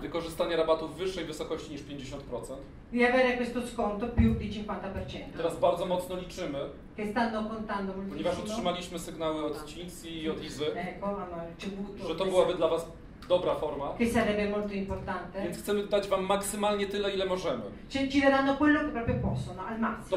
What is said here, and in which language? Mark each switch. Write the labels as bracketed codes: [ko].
[pl] Wykorzystanie rabatu w wyższej wysokości niż 50%. [it] Di avere questo sconto più di 50%. [pl] Teraz bardzo mocno liczymy. [it] Che stanno contando. [pl] Ponieważ otrzymaliśmy sygnały od CINSI i od IZY, [it] ecco, [pl] że to byłaby dla was dobra forma. [it] Che sarebbe molto importante. [pl] Więc chcemy dać wam maksymalnie tyle, ile możemy. [it] Ci daranno quello che proprio possono, al massimo.